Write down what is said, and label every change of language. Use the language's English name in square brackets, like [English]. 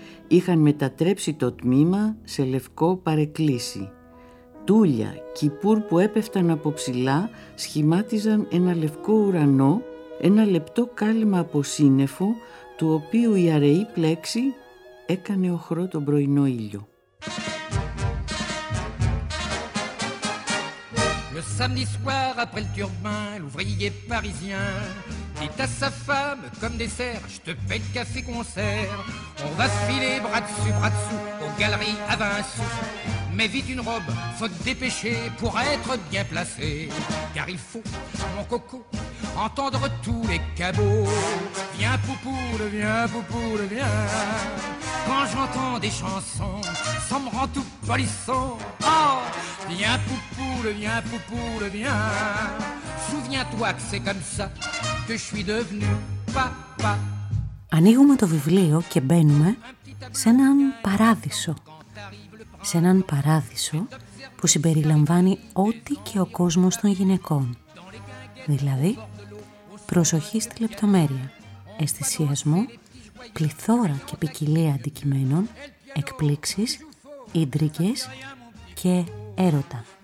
[Greek] Είχαν μετατρέψει το τμήμα σε λευκό παρεκκλήσι. Τούλια, κυπούρ που έπεφταν από ψηλά σχημάτιζαν ένα λευκό ουρανό, ένα λεπτό κάλυμα από σύννεφο του οποίου η αραιή πλέξη έκανε οχρό τον πρωινό ήλιο. [French] Le samedi soir, après le turbin, l'ouvrier parisien dit à sa femme, comme dessert, je te paye le café-concert. On va se filer bras dessous, aux galeries à 20 sous. Mais vite une robe, faut te dépêcher pour être bien placé. Car il faut, mon coco, entendre tous les cabots. Viens poupoule, viens poupoule, viens. Quand j'entends des chansons, ça me rend tout polisson. Oh, viens poupoule, viens poupoule, viens. Souviens-toi que c'est comme ça que je suis devenu papa. [Greek] Ανοίγουμε το βιβλίο και μπαίνουμε σε έναν παράδεισο. Σε έναν παράδεισο που συμπεριλαμβάνει ό,τι και ο κόσμος των γυναικών. Δηλαδή, προσοχή στη λεπτομέρεια, αισθησιασμό, πληθώρα και ποικιλία αντικειμένων, εκπλήξεις, ίντρικες και έρωτα.